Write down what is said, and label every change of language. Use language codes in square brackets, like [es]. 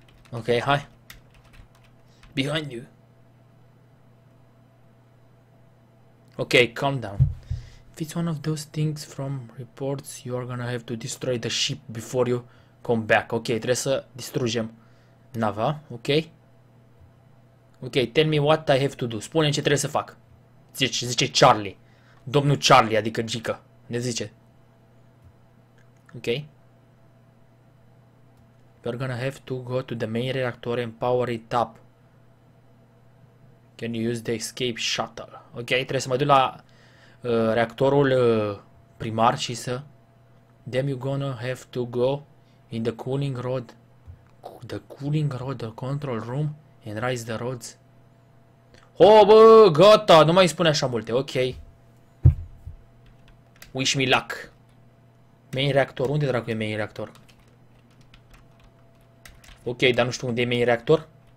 [en] Ok, [ro] hai. [en] Behind you. Ok, calm down. If it's one of those things from reports, you are gonna have to destroy the ship before you come back. [ro] Ok, trebuie să distrugem nava, ok? [en] Ok, tell me what I have to do. [ro] Spune ce trebuie să fac. Zice Charlie. Domnul Charlie, adică Gica. Ne zice. Ok. [en] We're gonna have to go to the main reactor and power it up. Can you use the escape shuttle? [ro] Ok, trebuie să mă duc la reactorul primar și să... [en] Then you're gonna have to go in the cooling rod. The cooling rod, the control room and raise the rods. [ro] Oh, bă, gata, nu mai spune așa multe, ok. [en] Wish me luck. Main reactor, [ro] unde dracu e [en] main reactor? [ro] Ok, dar nu știu unde e main reactor.